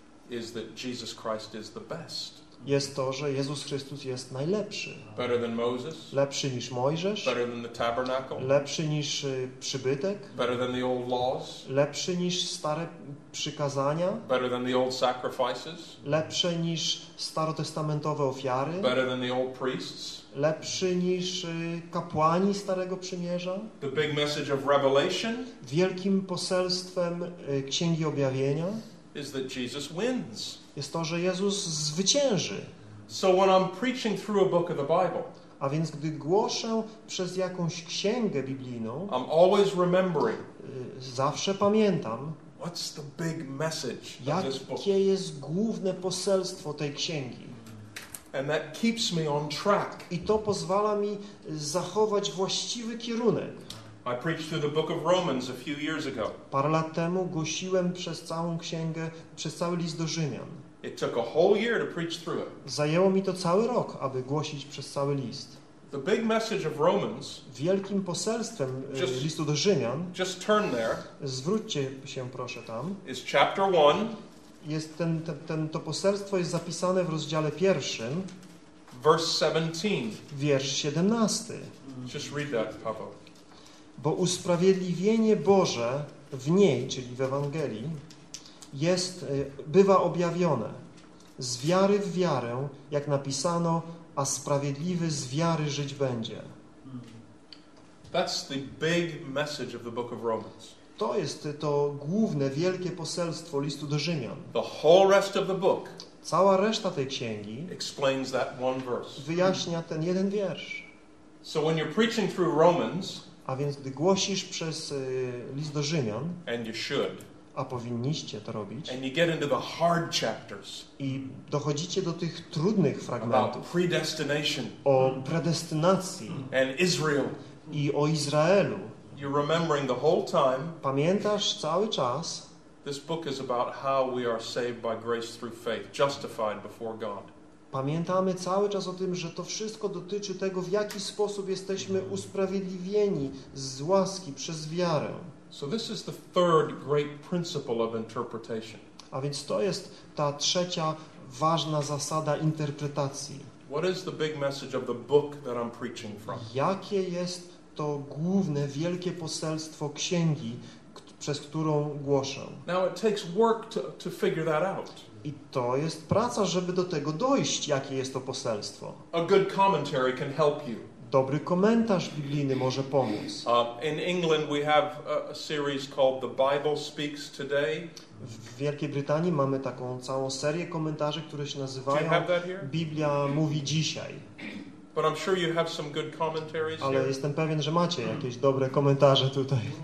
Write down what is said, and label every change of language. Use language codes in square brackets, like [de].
[en] is that Jesus Christ is the best. [pl] Jest to, że Jezus Chrystus jest najlepszy. [en] Better than Moses. [pl] Lepszy niż Mojżesz. [en] Better than the tabernacle. [pl] Lepszy niż przybytek. [en] Better than the old laws. [pl] Lepszy niż stare przykazania. [en] Better than the old sacrifices. [pl] Lepszy niż starotestamentowe ofiary. [en] Better than the old priests. [pl] Lepszy niż kapłani Starego Przymierza. [en] The big message of Revelation. [pl] Wielkim poselstwem Księgi Objawienia [en] is that Jesus wins. [pl] Jest to, że Jezus zwycięży. [en] So when I'm preaching through a book of the Bible, [pl] a więc gdy głoszę przez jakąś księgę biblijną, [en] I'm always remembering, [pl] zawsze pamiętam, [en] what's the big message of this book? [pl] Jakie jest główne poselstwo tej księgi. [en] And that keeps me on track. [pl] I to pozwala mi zachować właściwy kierunek. [en] I preached through the book of Romans a few years ago. [pl] Parę lat temu głosiłem przez całą księgę, przez cały list do Rzymian. [en] It took a whole year to preach through it. [pl] Zajęło mi to cały rok, aby głosić przez cały list. [en] The big message of Romans. [pl] Wielkim poselstwem listu do Rzymian. [en] Just turn there. [pl] Zwróćcie się proszę tam. [en] Is chapter 1. [pl] Jest to poselstwo jest zapisane w rozdziale pierwszym. [en] Verse 17. [pl] Wiersz 17. [en] Just read that, Paweł. [pl] Bo usprawiedliwienie Boże w niej, czyli w Ewangelii, jest, bywa objawione z wiary w wiarę, jak napisano, a sprawiedliwy z wiary żyć będzie. [en] That's the big message of the book of Romans. [pl] To jest to główne, wielkie poselstwo listu do Rzymian. [en] The whole rest of the book. [pl] Cała reszta tej księgi [en] explains that one verse. [pl] Wyjaśnia ten jeden wiersz. [en] So when you're preaching through Romans, [pl] a więc gdy głosisz przez list do Rzymian, [en] and you should, [pl] a powinniście to robić, [en] and you get into the hard chapters, [pl] i dochodzicie do tych trudnych fragmentów [en] about predestination, [pl] o predestynacji [en] and Israel, [pl] i o Izraelu, [en] you're remembering the whole time, [pl] pamiętasz cały czas. [en] This book is about how we are saved by grace through faith, justified before God. [pl] Pamiętamy cały czas o tym, że to wszystko dotyczy tego, w jaki sposób jesteśmy usprawiedliwieni z łaski przez wiarę. [en] So this is the third great principle of interpretation. [pl] A więc to jest ta trzecia ważna zasada interpretacji. [en] What is the big message of the book that I'm preaching from? [pl] Jakie jest to główne wielkie poselstwo księgi, przez którą głoszę. [en] Now it takes work to figure that out. [pl] I to jest praca, żeby do tego dojść, jakie jest to poselstwo. [en] A good commentary can help you. [pl] Dobry komentarz biblijny może pomóc. [en] In England we have a series called The Bible Speaks Today. [pl] W Wielkiej Brytanii mamy taką całą serię komentarzy, które się nazywają Biblia mówi dzisiaj. [en] But I'm sure you have some good commentaries. [pl] Ale [en] here. [pl] Jestem pewien, że macie jakieś dobre komentarze tutaj.